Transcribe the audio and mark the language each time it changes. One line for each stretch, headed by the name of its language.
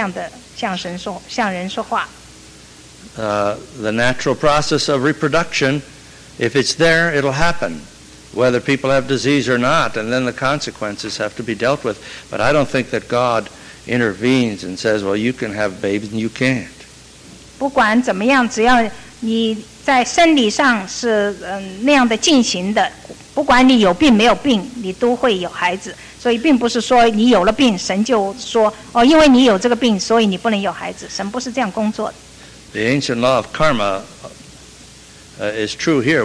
Chinese: 神不会说，到一些人的面前说，你因为有一些性病，所以你不可以有孩子。神并不是这样的向神说，向人说话。
English: The natural process of reproduction, if it's there, it'll happen, whether people have disease or not, and then the consequences have to be dealt with. But I don't think that God intervenes and says, well, you can have babies and you can't.
Chinese: 不管怎么样，只要你在生理上是那样的进行的，不管你有病没有病，你都会有孩子。所以并不是说你有了病，神就说，哦，因为你有这个病，所以你不能有孩子。神不是这样工作的。
English: The ancient law of karma is true here.